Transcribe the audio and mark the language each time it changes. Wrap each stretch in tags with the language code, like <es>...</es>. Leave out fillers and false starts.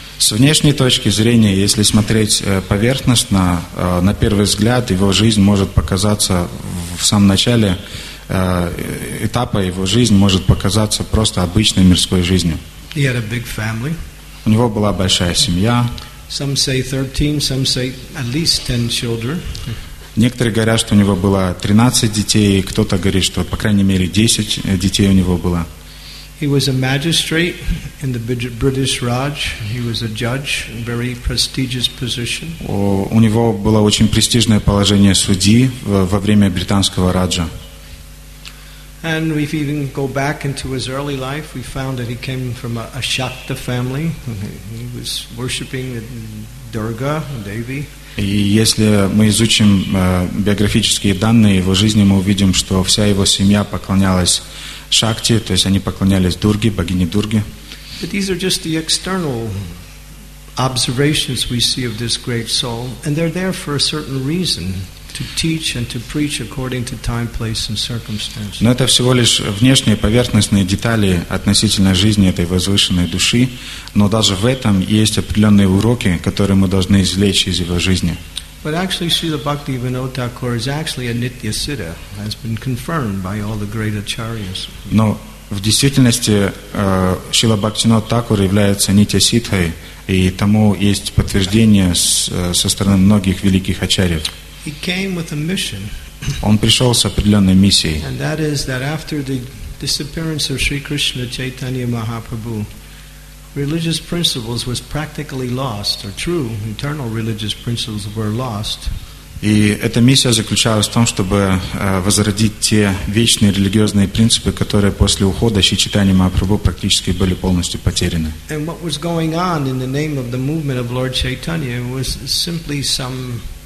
<ru>С внешней точки зрения, если смотреть поверхностно, на первый взгляд, его жизнь может показаться в самом начале этапа его жизни может показаться просто обычной мирской жизнью.</ru> <en>He had a big family.</en> <ru>У него была большая семья.</ru> <en>Some say 13, some say at least 10 children.</en> <ru>Некоторые говорят, что у него было 13 детей, кто-то говорит, что по крайней мере 10 детей у него было.</ru> <en>He was a magistrate in the British Raj. He was a judge, a very prestigious position.</en> <ru>У него было очень престижное положение судьи во время британского раджа.</ru> <en>And if we even go back into his early life, we found that he came from a Shakta family. He was worshipping Durga, Devi.</en> <ru>И если мы изучим биографические данные его жизни, мы увидим, что вся его семья поклонялась Шакти, то есть они поклонялись Дурге, богине Дурге.</ru> <en>But these are just the external observations we see of this great soul, and they're there for a certain reason. To teach and to preach according to time, place, and circumstances.</en> <ru>Но это всего лишь внешние поверхностные детали относительно жизни этой возвышенной души, но даже в этом есть определенные уроки, которые мы должны извлечь из его жизни.</ru> <en>But actually, Srila Bhaktivinoda Thakur is actually a Nitya Siddha, has been confirmed by all the great acharyas.</en> <ru>Но в действительности Шрила Бхактивинода Такур является Нитья Сиддхой, и тому есть подтверждение со стороны многих великих ачарьев.</ru> <en>He came with a mission.</en> <ru>Он пришел с определенной миссией.</ru> <en>And that is that after the disappearance of Sri Krishna Chaitanya Mahaprabhu, religious principles was practically lost, or true internal religious principles were lost.</en> <ru>И эта миссия заключалась в том, чтобы возродить те вечные религиозные принципы, которые после ухода Шри Чайтаньи Махапрабху практически были полностью потеряны.</ru> <en>And what was going on in the name of the movement of Lord Chaitanya was simply some.</en>